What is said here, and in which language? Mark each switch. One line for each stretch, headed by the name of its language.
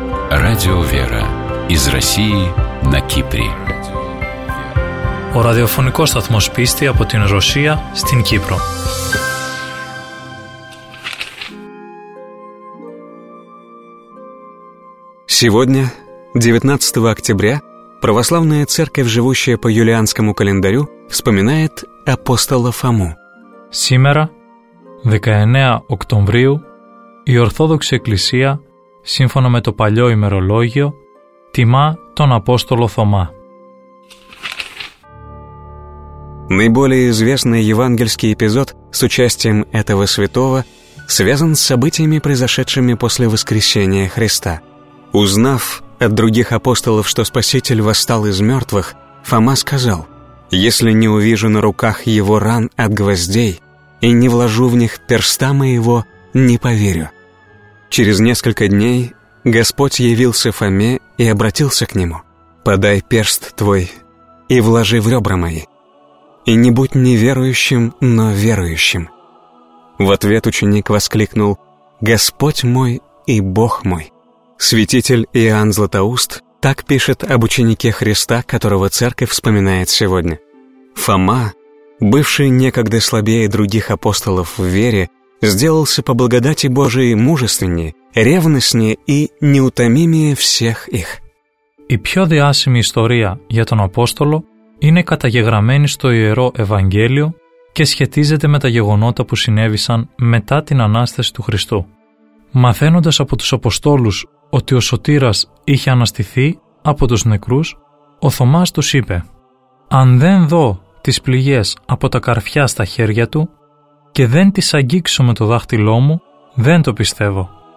Russian: Радио «Вера» из России на Кипре.
Greek: Ο ραδιοφωνικός σταθμός πίστη από την Ρωσία στην Κύπρο.
Russian: Сегодня, 19 октября, православная церковь, живущая по юлианскому календарю, вспоминает апостола Фому. Сегодня, 19 октября,
Greek: η Ορθόδοξη Εκκλησία, σύμφωνα με το παλιό ημερολόγιο, τιμά τον Απόστολο Θωμά.
Russian: Наиболее известный евангельский эпизод с участием этого святого связан с событиями, произошедшими после воскресения Христа. Узнав от других апостолов, что Спаситель восстал из мертвых, Фома сказал: «Если не увижу на руках его ран от гвоздей и не вложу в них перста моего, не поверю». Через несколько дней Господь явился Фоме и обратился к нему: «Подай перст твой и вложи в ребра мои, и не будь неверующим, но верующим». В ответ ученик воскликнул: «Господь мой и Бог мой». Святитель Иоанн Златоуст так пишет об ученике Христа, которого Церковь вспоминает сегодня. Фома, бывший некогда слабее других апостолов в вере, сделался по благодати Божией мужественнее, ревностнее и неутомимее всех их.
Greek: И пьё диасими история για τον апостолу είναι καταγεγραμμένη στο Ιερό Ευαγγέλιο και σχετίζεται με τα γεγονότα που συνέβησαν μετά την Ανάσταση του Χριστού. Μαθαίνοντας από τους Αποστόλους ότι ο Σωτήρας είχε αναστηθεί από τους νεκρούς, ο Θωμάς τους είπε: «Αν δεν δω τις πληγές από τα καρφιά στα χέρια του και δεν τις αγγίξω με το δάχτυλό μου, δεν το πιστεύω».